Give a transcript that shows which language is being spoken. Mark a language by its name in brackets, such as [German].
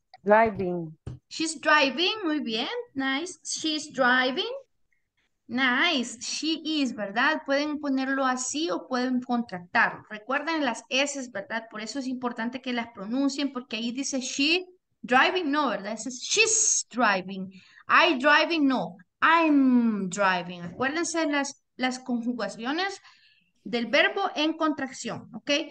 [English] Driving. She's driving, [Spanish] muy bien. [English] Nice. She's driving. Nice, she is, [Spanish] ¿verdad? Pueden ponerlo así o pueden contractarlo. Recuerden las S, ¿verdad? Por eso es importante que las pronuncien, porque ahí dice [English] she driving, [Spanish] no, ¿verdad? [English] Es she's driving, I driving, no, I'm driving. [Spanish] Acuérdense las conjugaciones del verbo en contracción, ¿ok?